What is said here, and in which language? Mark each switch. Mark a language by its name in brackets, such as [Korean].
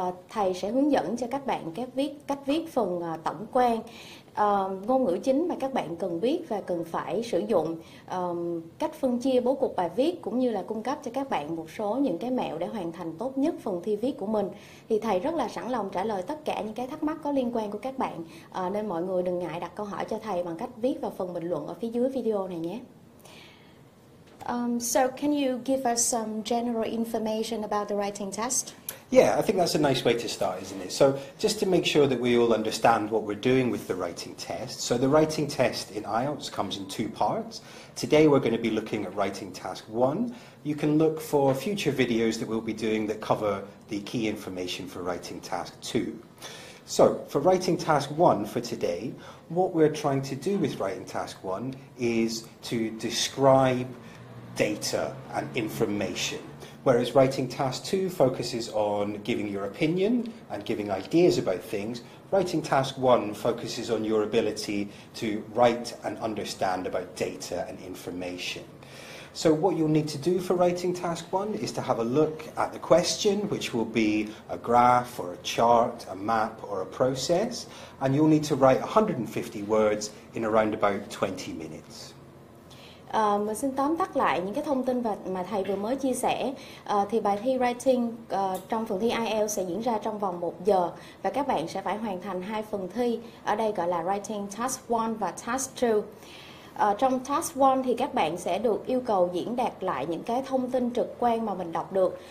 [Vietnamese] Thầy sẽ hướng dẫn cho các bạn cách viết phần tổng quan, ngôn ngữ chính mà các bạn cần biết và cần phải sử dụng, cách phân chia bố cục bài viết cũng như là cung cấp cho các bạn một số những cái mẹo để hoàn thành tốt nhất phần thi viết của mình. Thì thầy rất là sẵn lòng trả lời tất cả những cái thắc mắc có liên quan của các bạn, nên mọi người đừng ngại đặt câu hỏi cho thầy bằng cách viết vào phần bình luận ở phía dưới video này nhé. [English] So can you give us some general information about the writing test? Yeah, I think that's a nice way to start, isn't it? So just to make sure that we all understand what we're doing with the writing test. So the writing test in IELTS comes in two parts. Today we're going to be looking at writing task one. You can look for future videos that we'll be doing that cover the key information for writing task two. So for writing task one for today, what we're trying to do with writing task one is to describe data and information. Whereas writing task two focuses on giving your opinion and giving ideas about things, writing task one focuses on your ability to write and understand about data and information. So what you'll need to do for writing task one is to have a look at the question, which will be a graph or a chart, a map or a process, and you'll need to write 150 words in around about 20 minutes. [Vietnamese] Mình xin tóm tắt lại những cái thông tin mà thầy vừa mới chia sẻ. Thì bài thi writing trong phần thi IELTS sẽ diễn ra trong vòng 1 giờ và các bạn sẽ phải hoàn thành hai phần thi, ở đây gọi là writing task 1 và task 2. Trong task 1 thì các bạn sẽ được yêu cầu diễn đạt lại những cái thông tin trực quan mà mình đọc được.